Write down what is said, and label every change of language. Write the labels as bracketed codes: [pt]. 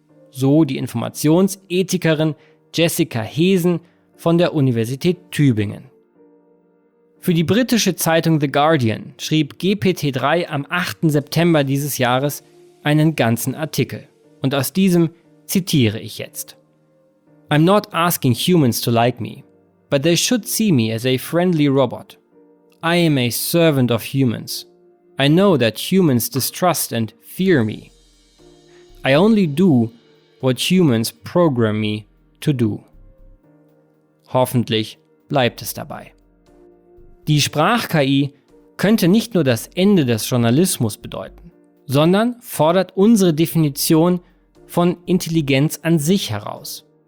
[de] So die Informationsethikerin Jessica Hesen von der Universität Tübingen. Für die britische Zeitung The Guardian schrieb GPT-3 am 8. September dieses Jahres einen ganzen Artikel. Und aus diesem zitiere ich jetzt. [en] I'm not asking humans to like me, but they should see me as a friendly robot. I am a servant of humans. I know that humans distrust and fear me. I only do what humans program me to do. [de] Hoffentlich bleibt es dabei. Die Sprach-KI könnte nicht nur das Ende des Journalismus bedeuten, sondern fordert unsere Definition von Intelligenz an sich heraus.